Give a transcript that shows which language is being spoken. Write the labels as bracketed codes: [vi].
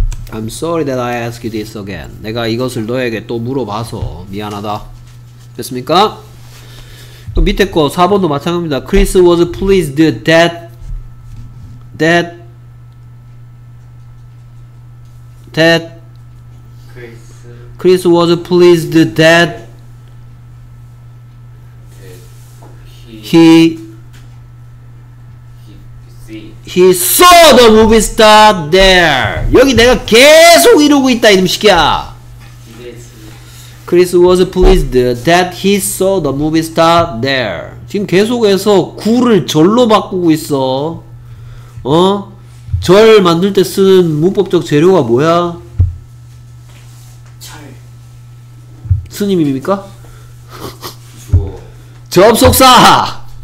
[en] I'm sorry that I ask you this again. [ko] 내가 이것을 너에게 또 물어봐서 미안하다. 됐습니까? 그 밑에 거 4번도 마찬가지입니다. [en] Chris was pleased that Chris was pleased that He saw the movie star there. [ko] 여기 내가 계속 이러고 있다 이놈 시키야. [en] Chris was pleased that he saw the movie star there. [ko] 지금 계속해서 구를 절로 바꾸고 있어. 어? 절 만들 때 쓰는 문법적 재료가 뭐야? 절. 스님입니까? 주어. 접속사!